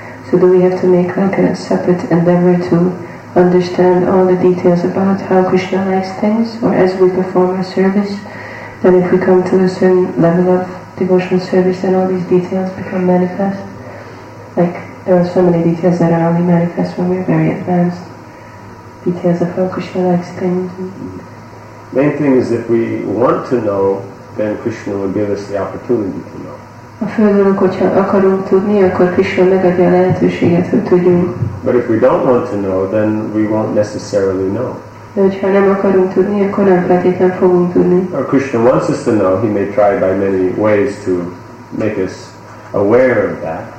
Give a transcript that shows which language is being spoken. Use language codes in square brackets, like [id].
[en] So do we have to make like a separate endeavor to understand all the details about how Krishna likes things, or as we perform a service, then if we come to a certain level of devotional service, then all these details become manifest? Like, there are so many details that are only manifest when we're very advanced. Details of how Krishna likes things. Main thing is if we want to know, then Krishna will give us the opportunity to know. [hu] A fő dolog, hogyha akarunk tudni, akkor Krishna megadja a lehetőséget, hogy tudjunk. [en] But if we don't want to know, then we won't necessarily know. [hu] De hogyha nem akarunk tudni, akkor nem feltétlenül fogunk tudni. [en] Or Krishna wants us to know, he may try by many ways to make us aware of that.